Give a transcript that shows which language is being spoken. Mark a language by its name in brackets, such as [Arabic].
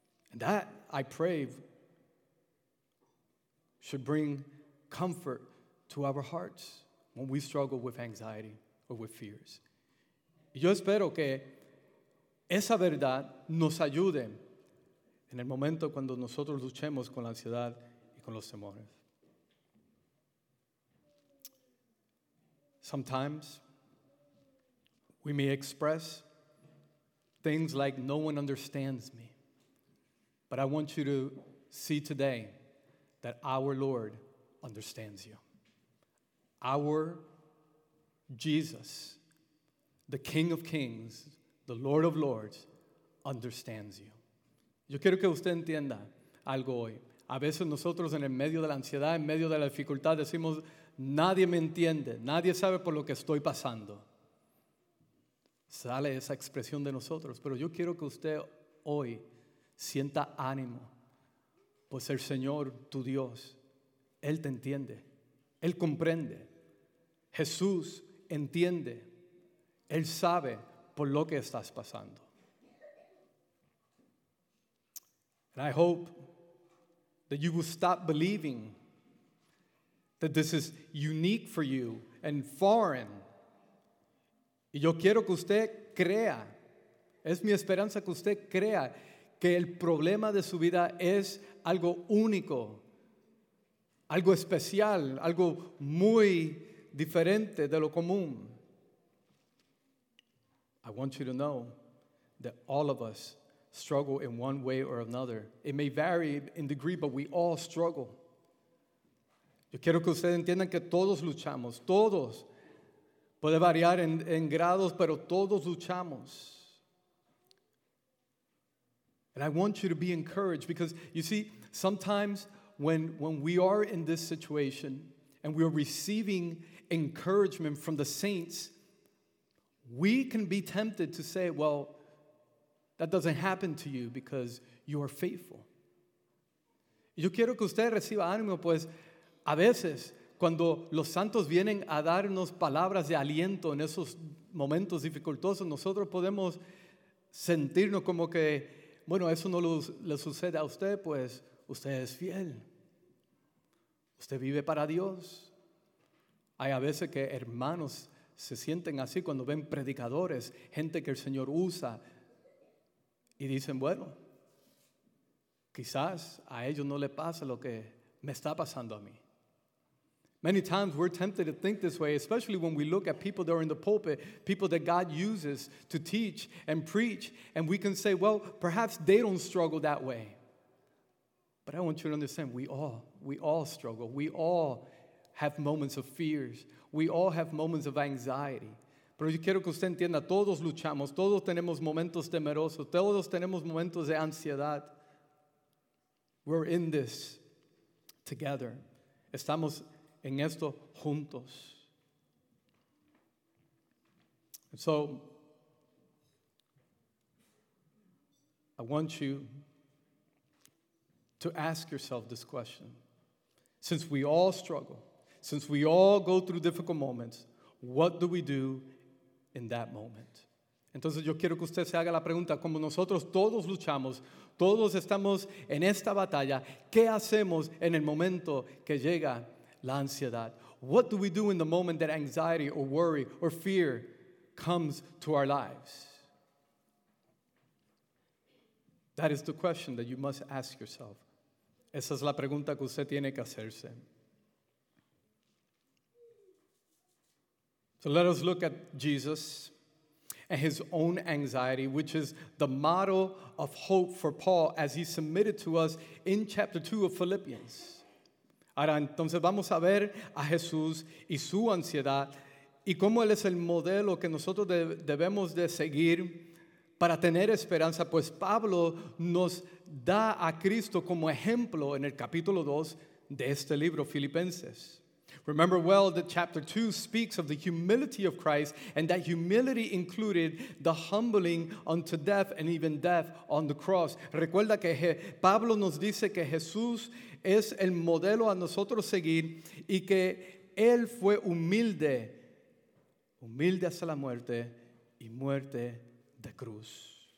[English] And that, I pray, should bring comfort to our hearts when we struggle with anxiety or with fears. [Spanish] Y yo espero que esa verdad nos ayude en el momento cuando nosotros luchemos con la ansiedad y con los temores. [English] Sometimes we may express things like, no one understands me. But I want you to see today that our Lord understands you. Our Jesus, the King of Kings, the Lord of Lords, understands you. [Spanish] Yo quiero que usted entienda algo hoy. A veces nosotros en el medio de la ansiedad, en medio de la dificultad, decimos, nadie me entiende, nadie sabe por lo que estoy pasando. Sale esa expresión de nosotros. Pero yo quiero que usted hoy sienta ánimo, pues el Señor, tu Dios, Él te entiende, Él comprende. Jesús entiende, Él sabe por lo que estás pasando. [English] And I hope that you will stop believing that this is unique for you and foreign. [Spanish] Y yo quiero que usted crea, es mi esperanza que usted crea que el problema de su vida es algo único, algo especial, algo muy diferente de lo común. [English] I want you to know that all of us struggle in one way or another. It may vary in degree, but we all struggle. [Spanish] Yo quiero que ustedes entiendan que todos luchamos, todos. Puede variar en grados, pero todos luchamos. [English] And I want you to be encouraged because, you see, sometimes when we are in this situation and we are receiving encouragement from the saints, we can be tempted to say, well, that doesn't happen to you because you are faithful. [Spanish] Yo quiero que usted reciba ánimo, pues a veces cuando los santos vienen a darnos palabras de aliento en esos momentos dificultosos, nosotros podemos sentirnos como que, bueno, eso no le sucede a usted, pues usted es fiel. Usted vive para Dios. Hay a veces que hermanos se sienten así cuando ven predicadores, gente que el Señor usa, y dicen, bueno, quizás a ellos no le pasa lo que me está pasando a mí. [English] Many times we're tempted to think this way, especially when we look at people that are in the pulpit, people that God uses to teach and preach, and we can say, well, perhaps they don't struggle that way. But I want you to understand, we all struggle. We all have moments of fears. We all have moments of anxiety. [Spanish] Pero yo quiero que usted entienda, todos luchamos, todos tenemos momentos temerosos, todos tenemos momentos de ansiedad. [English] We're in this together. [Spanish] Estamos en esto juntos. [English] So, I want you to ask yourself this question. Since we all struggle, since we all go through difficult moments, what do we do in that moment? [Spanish] Entonces yo quiero que usted se haga la pregunta, como nosotros todos luchamos, todos estamos en esta batalla, ¿qué hacemos en el momento que llega la ansiedad? [English] What do we do in the moment that anxiety or worry or fear comes to our lives? That is the question that you must ask yourself. [Spanish] Esa es la pregunta que usted tiene que hacerse. [English] So let us look at Jesus and his own anxiety, which is the model of hope for Paul as he submitted to us in chapter 2 of Philippians. [Spanish] Ahora, entonces vamos a ver a Jesús y su ansiedad y cómo él es el modelo que nosotros debemos de seguir para tener esperanza, pues Pablo nos da a Cristo como ejemplo en el capítulo 2 de este libro, Filipenses. [English] Remember well that chapter 2 speaks of the humility of Christ, and that humility included the humbling unto death and even death on the cross. [Spanish] Recuerda que Pablo nos dice que Jesús es el modelo a nosotros seguir y que él fue humilde, humilde hasta la muerte y muerte de cruz.